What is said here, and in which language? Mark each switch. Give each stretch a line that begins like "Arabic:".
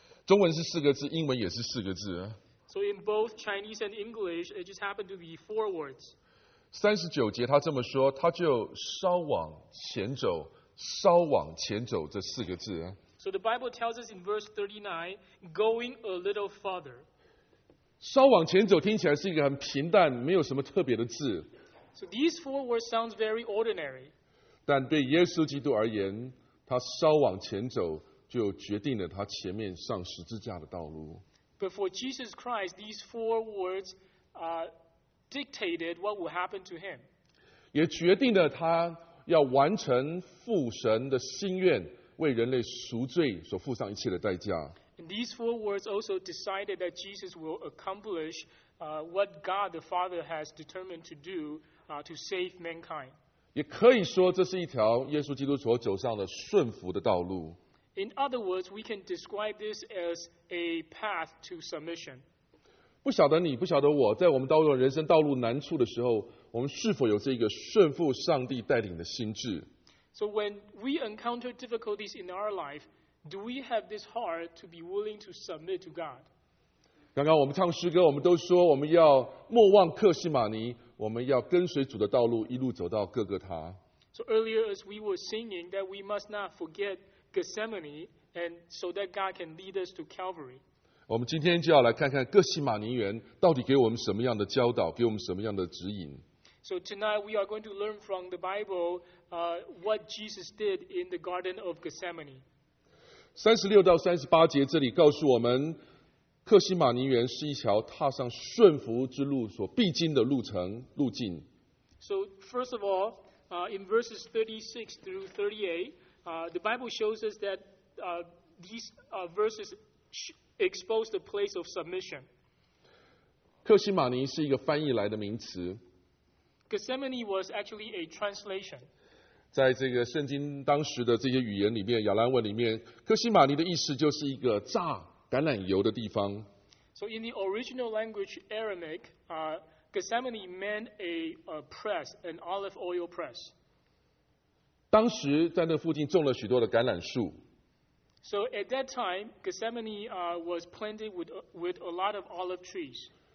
Chinese: 中文是四个字，英文也是四个字。
English: So in both Chinese and English, it just happened to be four words.
Chinese: 三十九节他这么说，他就稍往前走，稍往前走这四个字。
English: So the Bible tells us in verse 39, going a little farther.
Chinese: 稍往前走听起来是一个很平淡，没有什么特别的字。
English: So these four words sound very ordinary.
Chinese: 但对耶稣基督而言，他稍往前走就决定了他前面上十字架的道路。
English: But for Jesus Christ, these four words dictated what will happen to him.
Chinese: 也决定了他要完成父神的心愿，为人类赎罪所付上一切的代价。
English: And these four words also decided that Jesus will accomplish what God the Father has determined to do to save mankind.
Chinese: 也可以说这是一条耶稣基督所走上的顺服的道路。
English: In other words, we can describe this as a path to submission.
Chinese: 不晓得你，不晓得我，在我们道路人生道路难处的时候，我们是否有这个顺服上帝带领的心智？
English: So when we encounter difficulties in our life, do we have this heart to be willing to submit to God?
Chinese: 刚刚我们唱诗歌，我们都说我们要莫忘客西马尼，我们要跟随主的道路，一路走到各个他。
English: So earlier as we were singing that we must not forget Gethsemane, and so that God can lead us to Calvary.
Chinese: 我们今天就要来看看各西马尼园到底给我们什么样的教导，给我们什么样的指引。
English: So tonight we are going to learn from the Bible, what Jesus did in the Garden of Gethsemane.
Chinese: 三十六到三十八节这里告诉我们，客西马尼园是一条踏上顺服之路所必经的路程路径。
English: So first of all, in verses 36 through 38. The Bible shows us that these verses expose the place of submission.
Chinese: 客西马尼是一个翻译来的名词。
English: Gethsemane was actually a translation.
Chinese: 在这个圣经当时的这些语言里面，亚兰文里面，客西马尼的意思就是一个榨橄榄油的地方。
English: So in the original language Aramaic, Gethsemane meant a press, an olive oil press.
Chinese: 当时在那附近种了许多的橄榄树。
English: So at that time, Gethsemane was planted with a lot of olive trees.